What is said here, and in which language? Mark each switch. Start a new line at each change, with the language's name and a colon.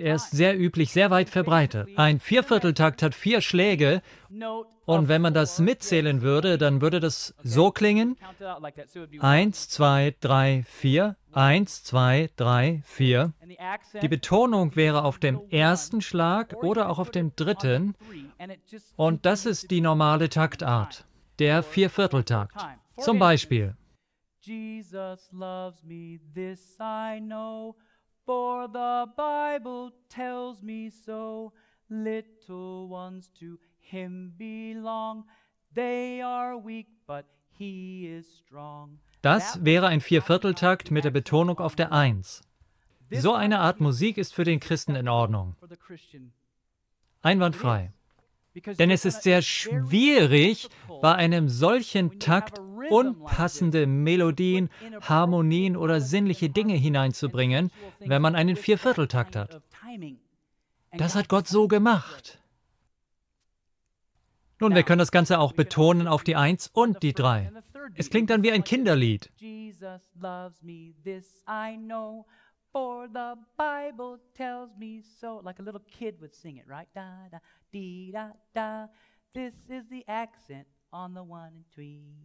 German: Er ist sehr üblich, sehr weit verbreitet. Ein Viervierteltakt hat vier Schläge, und wenn man das mitzählen würde, dann würde das so klingen. 1, 2, 3, 4. 1, 2, 3, 4. Die Betonung wäre auf dem ersten Schlag oder auch auf dem dritten. Und das ist die normale Taktart, der Viervierteltakt. Zum Beispiel.
English: Jesus loves me, this I know, for the Bible tells me so. Little ones to him belong, they are weak, but he is strong.
German: Das wäre ein Viervierteltakt mit der Betonung auf der Eins. So eine Art Musik ist für den Christen in Ordnung. Einwandfrei. Denn es ist sehr schwierig, bei einem solchen Takt unpassende Melodien, Harmonien oder sinnliche Dinge hineinzubringen, wenn man einen Viervierteltakt hat. Das hat Gott so gemacht. Nun, wir können das Ganze auch betonen auf die 1 und die 3. Es klingt dann wie ein Kinderlied. Jesus loves me, this I know, for the Bible tells me so.
English: Like a little kid would sing it, right? Da, da, dee, da, da. This is the accent on the one and three.